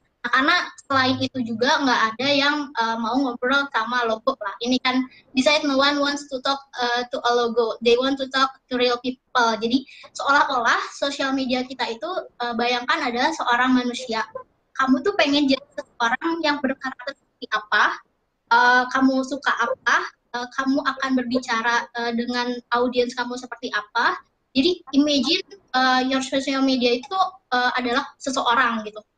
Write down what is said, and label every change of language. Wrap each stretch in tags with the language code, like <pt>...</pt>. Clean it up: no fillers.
<id>Nah, karena selain itu juga nggak ada yang mau ngobrol sama logo lah. Ini kan</id> <en>decide no one wants to talk to a logo, they want to talk to real people.</en> <id>Jadi seolah-olah social media kita itu bayangkan ada seorang manusia. Kamu tuh pengen jadi seorang yang berkarakter seperti apa, kamu suka apa, kamu akan berbicara dengan audiens kamu seperti apa. Jadi</id> <en>imagine your</en> <id>social media itu adalah seseorang gitu.</id>